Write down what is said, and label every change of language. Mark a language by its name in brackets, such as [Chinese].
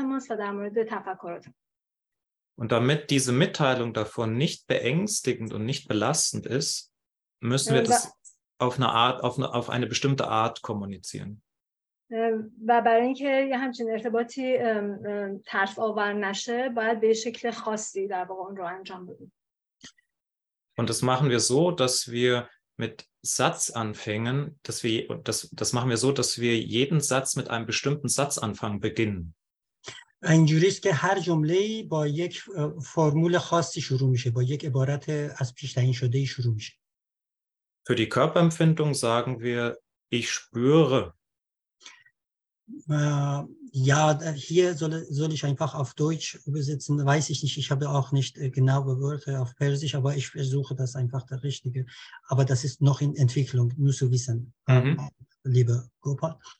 [German] Und damit diese Mitteilung davon nicht beängstigend und nicht belastend ist, müssen wir das auf eine bestimmte Art kommunizieren. [Persian] و برای اینکه یه همچین ارتباطی ترس‌آور نشه، باید به شکل خاصی در واقع اون رو انجام بدیم. [German] Und das machen wir so, dass wir mit Satzanfängen, das machen wir so, dass wir jeden Satz mit einem bestimmten Satzanfang beginnen. [Persian] اینجوری است که هر جمله با یک فرمول خاصی شروع میشه، با یک عبارت از پیش تعیین شده شروع میشه. [German] Für die Körperempfindung sagen wir, ich spüre. Ja, hier soll ich einfach auf Deutsch übersetzen, weiß ich nicht, ich habe auch nicht genaue Wörter auf Persisch, aber ich versuche das einfach der Richtige, aber das ist noch in Entwicklung, nur zu wissen, liebe Gopal.